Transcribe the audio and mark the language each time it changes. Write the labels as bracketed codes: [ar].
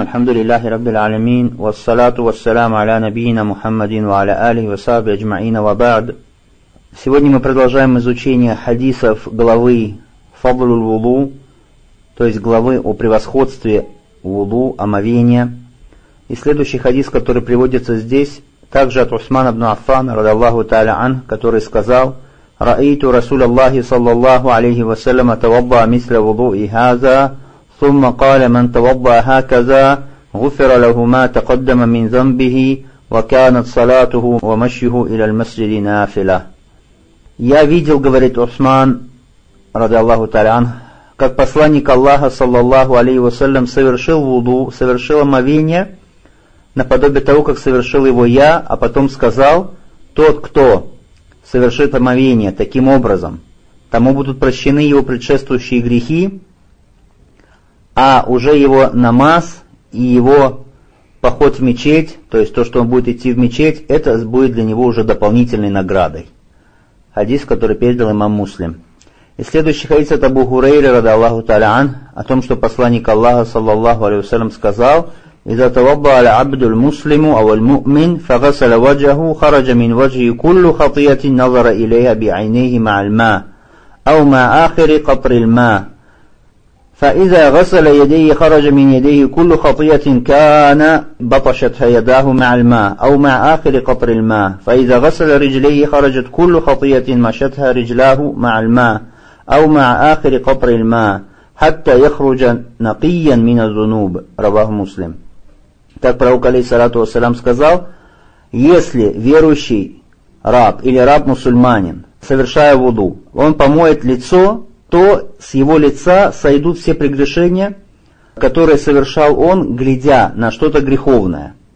[ar] الحمد لله رب العالمين، والصلاة والسلام على نبينا محمد وعلى آله وصحبه أجمعين، وبعد. [ru] Сегодня мы продолжаем изучение хадисов главы Фадлул Вуду, то есть главы о превосходстве вуду, омовения. И следующий хадис, который приводится здесь, также от Усмана ибн Аффана [ar] رضي الله تعالى عنه, [ru] который сказал: [ar] رأيت رسول الله صلى الله عليه وسلم توضأ مثل وضوء هذا ثم قال من توضأ هكذا غفر له ما تقدم من ذنبه وكانت صلاته ومشيه إلى المسجد نافلة. [ru] Я видел, говорит Усман, [ar] رضي الله تعالى عنه, [ru] как посланник Аллаха, саллаллаху алейхи вассалям, совершил вуду, совершил омовение, наподобие того, как совершил его я, а потом сказал: тот, кто совершит омовение таким образом, тому будут прощены его предшествующие грехи, а уже его намаз и его поход в мечеть, то есть то, что он будет идти в мечеть, это будет для него уже дополнительной наградой. Хадис, который передал имам Муслим. И следующий хадис от Абу Хурейры, рада Аллаху Таля'ан, о том, что посланник Аллаха, саллаллаху алейхи вассалям, сказал: [ar] «Иза таваба аля абду ль-муслиму аваль му'мин, фагасаля ваджаху, хараджа мин ваджи куллю хатиятин назара илейя би айнейхи ма'аль ма, ау ма ахири катри ль-ма. فإذا غسل يديه خرج من يديه كل خطية كان بطشت يداه مع الماء أو مع آخر قطر الماء فإذا غسل رجليه خرجت كل خطية مشتها رجلاه مع الماء أو مع آخر قطر الماء حتى يخرج نقيا من الذنوب. رواه مسلم. [ru] Так пророк алейхиссалату вассалям сказал: если верующий раб или раб мусульманин, совершая вуду, он помоет лицо, то с его лица сойдут все прегрешения, которые совершал он, глядя на что-то греховное.